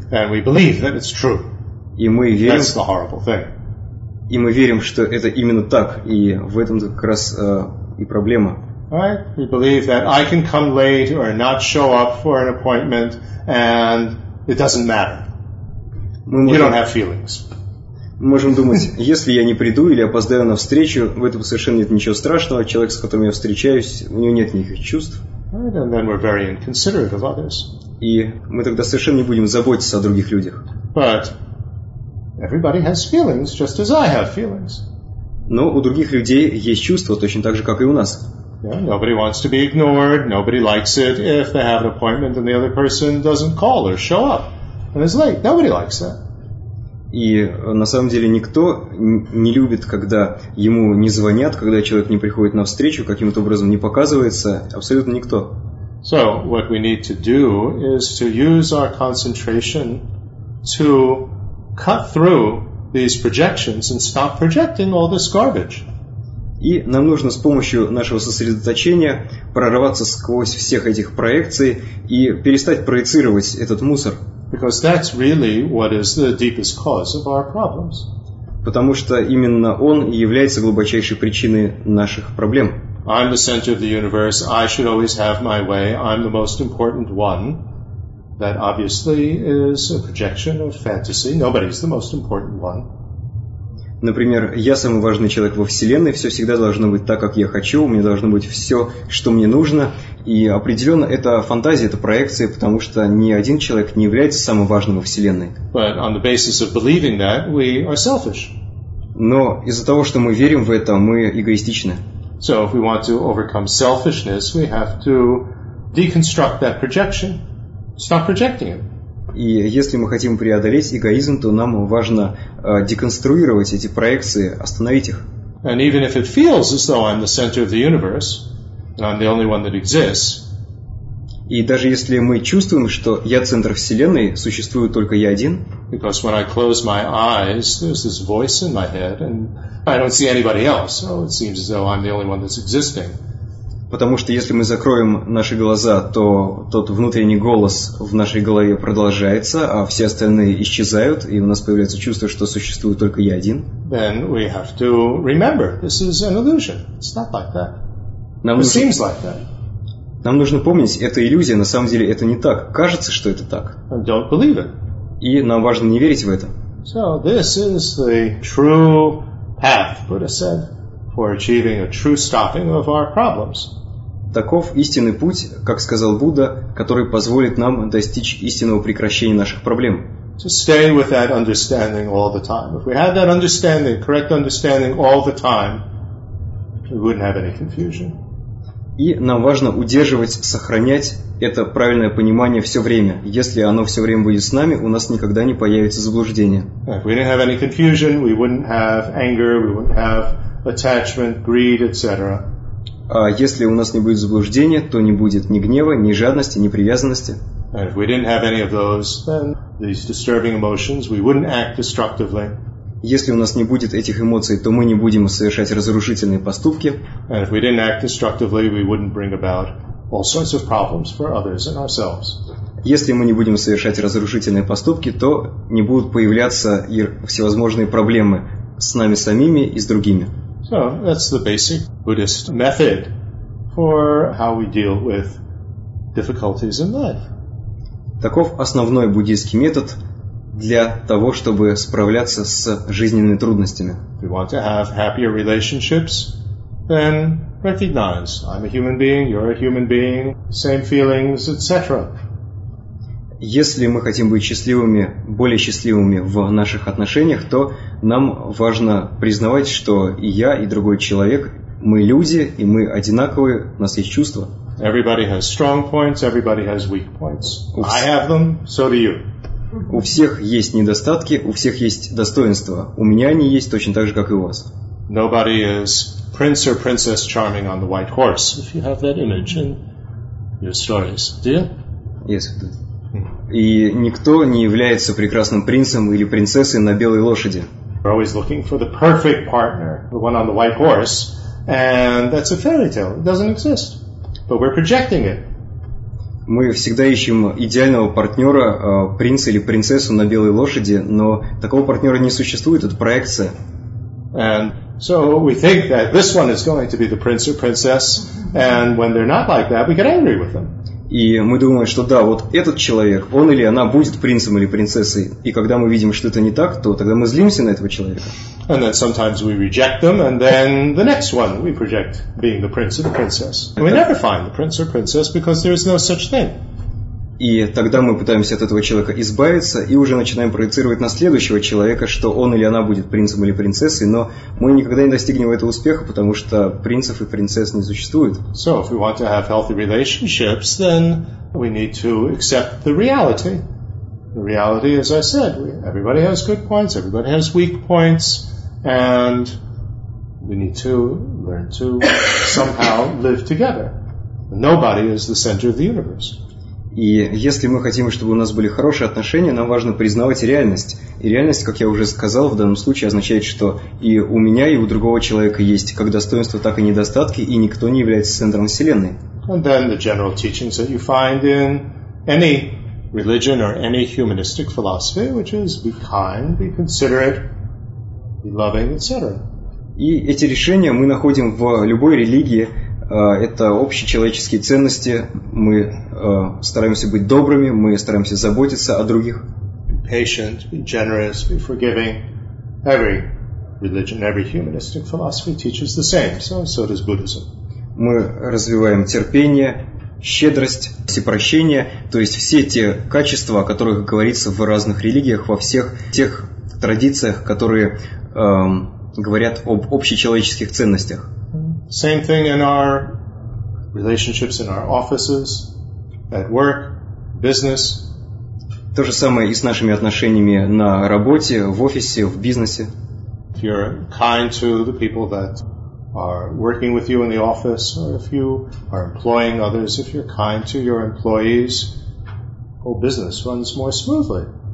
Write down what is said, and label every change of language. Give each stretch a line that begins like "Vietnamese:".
English: And we believe that it's true.
Russian: И мы верим.
English: That's the horrible thing.
Russian: И мы верим, что это именно так, и в этом как раз и проблема.
English: Right? We believe that I can come late or not show up for an appointment, and it doesn't matter. You don't have feelings.
Russian: Мы можем думать, если я не приду или опоздаю на встречу, в этом совершенно нет ничего страшного. Человек, с которым я встречаюсь, у него нет никаких чувств.
English: Right? And then we're very inconsiderate of others.
Russian: И мы тогда совершенно не будем заботиться о других людях.
English: But everybody has feelings, just as I have feelings.
Russian: Но у других людей есть чувства, точно так же, как и у нас.
English: Yeah, nobody wants to be ignored, nobody likes it if they have an appointment and the other person doesn't call or show up and is late. Nobody likes that.
Russian: И на самом деле никто не любит, когда ему не звонят, когда человек не приходит на встречу, каким-то образом не показывается, абсолютно никто.
English: So, what we need to do is to use our concentration to cut through these projections and stop projecting all this garbage.
Russian: И нам нужно с помощью нашего сосредоточения прорваться сквозь всех этих проекций и перестать проецировать этот мусор.
English: Because that's really what is the deepest cause of our problems.
Russian: Потому что именно он и является глубочайшей причиной наших проблем.
English: I'm the center of the universe. I should always have my way. I'm the most important one. That obviously is a projection of fantasy. Nobody's the most important one.
Russian: Например, я самый важный человек во Вселенной, все всегда должно быть так, как я хочу, у меня должно быть все, что мне нужно. И определенно это фантазия, это проекция, потому что ни один человек не является самым важным во Вселенной.
English: But on the basis of believing that, we are selfish.
Russian: Но из-за того, что мы верим в это, мы эгоистичны.
English: So if we want to overcome selfishness, we have to deconstruct that projection. Stop projecting it.
Russian: И если мы хотим преодолеть эгоизм, то нам важно деконструировать эти проекции, остановить их.
English: And even if it feels as though I'm the center of the universe, and I'm the only one that exists.
Russian: И даже если мы чувствуем, что я центр вселенной, существую только я один.
English: Because when I close my eyes, there's this voice in my head, and I don't see anybody else, so it seems as though I'm the only one that's existing.
Russian: Потому что если мы закроем наши глаза, то тот внутренний голос в нашей голове продолжается, а все остальные исчезают, и у нас появляется чувство, что существует только я один.
English: Then we have to remember, this is an illusion. It's not like that. Seems like that.
Russian: Нам нужно помнить, это иллюзия, на самом деле это не так. Кажется, что это так.
English: And don't believe it.
Russian: И нам важно не верить в это.
English: So this is the true path, Buddha said. For achieving a true stopping of our problems.
Russian: Таков истинный путь, как сказал Будда, который позволит нам достичь истинного прекращения наших проблем.
English: To stay with that understanding all the time. If we had that understanding, correct understanding all the time, we wouldn't have any confusion.
Russian: И нам важно удерживать, сохранять это правильное понимание все время. Если оно все время будет с нами, у нас никогда не появится заблуждение.
English: If we didn't have any confusion, we wouldn't have anger, we wouldn't have attachment, greed, etc.
Russian: А если у нас не будет заблуждения, то не будет ни гнева, ни жадности, ни привязанности.
English: And if we didn't have any of those, then these disturbing emotions, we wouldn't act destructively.
Russian: Если у нас не будет этих эмоций, то мы не будем совершать разрушительные поступки.
English: And if we didn't act destructively, we wouldn't bring about all sorts of problems for others and ourselves.
Russian: Если мы не будем совершать разрушительные поступки, то не будут появляться и всевозможные проблемы с нами самими и с другими.
English: So that's the basic Buddhist method for how we deal with difficulties in life.
Russian: Таков основной буддийский метод для того, чтобы справляться с жизненными трудностями.
English: If you want to have happier relationships, then recognize I'm a human being, you're a human being, same feelings, etc.
Russian: Если мы хотим быть счастливыми, более счастливыми в наших отношениях, то нам важно признавать, что и я, и другой человек, мы люди, и мы одинаковые, у нас есть чувства.
English: Everybody has strong points, everybody has weak points. I have them, so do you.
Russian: У всех есть недостатки, у всех есть достоинства. У меня они есть точно так же, как и у вас.
English: Nobody is prince or princess charming on the white horse, if you have that image in your stories, do you? Yes, I do.
Russian: И никто не является прекрасным принцем или принцессой на белой лошади.
English: We're always looking for the perfect partner, the one on the white horse, and that's a fairy tale. It doesn't exist. But we're projecting it.
Russian: Мы всегда ищем идеального партнера, принца или принцессу на белой лошади, но такого партнера не существует, это проекция.
English: And so we think that this one is going to be the prince or princess, and when they're not like that, we get angry with them.
Russian: И мы думаем, что да, вот этот человек, он или она будет принцем или принцессой. И когда мы видим, что это не так, то тогда мы злимся на этого человека.
English: And then sometimes we reject them, and then the next one we project being the prince or the princess. And we never find the prince or princess because there is no such thing.
Russian: И тогда мы пытаемся от этого человека избавиться и уже начинаем проецировать на следующего человека, что он или она будет принцем или принцессой, но мы никогда не достигнем этого успеха, потому что принцев и принцесс не существует.
English: So if we want to have healthy relationships, then we need to accept the reality. The reality, as I said, everybody has good points, everybody has weak points, and we need to learn to somehow live together. Nobody is the center of the universe.
Russian: И если мы хотим, чтобы у нас были хорошие отношения, нам важно признавать реальность. И реальность, как я уже сказал, в данном случае означает, что и у меня, и у другого человека есть как достоинства, так и недостатки, и никто не является центром Вселенной.
English: And then the general teachings that you find in any religion or any humanistic philosophy, which is be kind, be considerate, be loving, etc.
Russian: И эти решения мы находим в любой религии. Это общечеловеческие ценности. Мы стараемся быть добрыми, мы стараемся заботиться о других.
English: Be patient, be generous, be forgiving. Every religion, every humanistic philosophy teaches the same. So does Buddhism.
Russian: Мы развиваем терпение, щедрость, прощение, то есть все те качества, о которых говорится в разных религиях, во всех тех традициях, которые говорят об общечеловеческих ценностях.
English: Same thing in our relationships, in our offices, at work, business.
Russian: То же самое и с нашими отношениями на работе, в офисе, в бизнесе.
English: If you're kind to the people that are working with you in the office, or if you are employing others, if you're kind to your employees, whole business runs more smoothly.